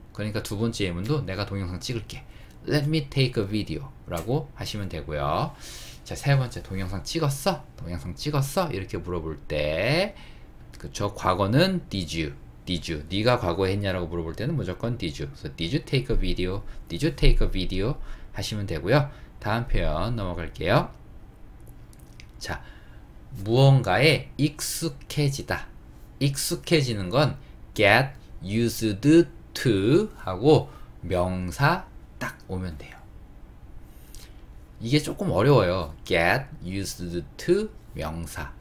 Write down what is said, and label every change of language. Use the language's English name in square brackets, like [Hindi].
[Korean] 그러니까 두 번째 예문도 내가 동영상 찍을게, [English] let me take a video [Korean] 라고 하시면 되고요. 자, 세 번째, 동영상 찍었어 이렇게 물어볼 때 그쵸, 과거는 did you 네가 과거에 했냐라고 물어볼 때는 무조건 did you. [English] So did you take a video [Korean] 하시면 되고요. 다음 표현 넘어갈게요. 자, 무언가에 익숙해지다. 익숙해지는 건 get used to 하고 명사 딱 오면 돼요. 이게 조금 어려워요. get used to 명사.